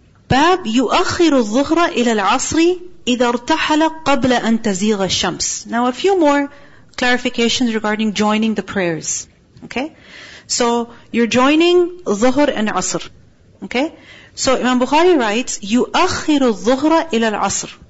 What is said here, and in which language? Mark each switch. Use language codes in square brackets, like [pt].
[ar] باب يؤخر الظهر إلى العصر إذا ارتحل قبل أن تزيغ الشمس. [en] Now a few more clarifications regarding joining the prayers. Okay, so you're joining ظهر and عصر. Okay, so Imam Bukhari writes, [ar] يؤخر الظهر إلى العصر.